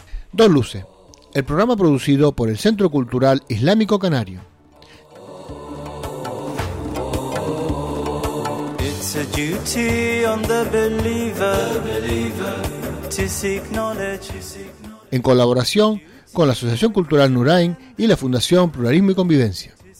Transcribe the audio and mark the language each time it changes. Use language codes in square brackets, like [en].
[es] Dos Luces, el programa producido por el Centro Cultural Islámico Canario. [en] It's a duty on the believer, to seek knowledge. [es] En colaboración con la Asociación Cultural Nuraín y la Fundación Pluralismo y Convivencia.